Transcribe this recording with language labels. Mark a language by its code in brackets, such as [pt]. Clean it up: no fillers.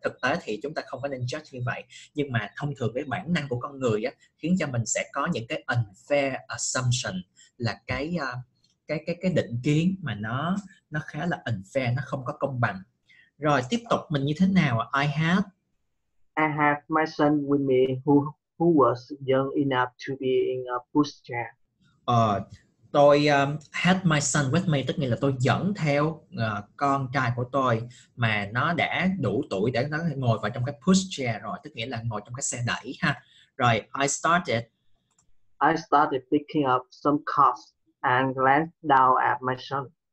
[vi] Thực tế thì chúng ta không có nên judge như vậy, nhưng mà thông thường cái bản năng của con người á, khiến cho mình sẽ có những cái [en] unfair assumption, [vi] là cái định kiến mà nó khá là unfair, nó không có công bằng. Rồi tiếp tục mình như thế nào? [en] I have my son with me who was young enough to be in a pushchair. [vi] Tôi [en] had my son with me, [vi] tức nghĩa là tôi dẫn theo con trai của tôi mà nó đã đủ tuổi để nó ngồi vào trong cái pushchair rồi, tức nghĩa là ngồi trong cái xe đẩy ha. [en] Rồi I started picking up some cups and glanced down at my son.